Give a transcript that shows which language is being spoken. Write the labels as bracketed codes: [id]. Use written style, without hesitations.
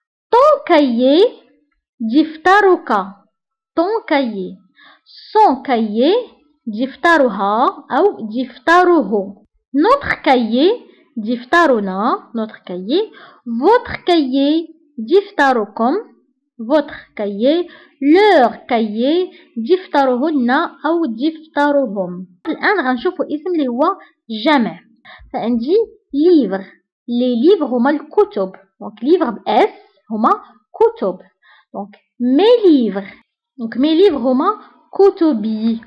[fr] طون كايي [ar] دفترك، [fr] طون كايي. سون كايي [ar] دفترها أو دفتره. [fr] نوتر كايي [ar] دفترنا، [fr] نوتر كايي. فوتر كايي [ar] دفتركم، [fr] votre cahier, leur cahier, [ar] دفترهن أو دفترهم. الآن غنشوفوا اسم اللي هو جمع. فعندي livre. [fr] Les livres [ar] هما الكتب. [fr] Donc livre بS [ar] هما كتب. [fr] Donc mes livres. Donc mes livres [ar] هما كتبي.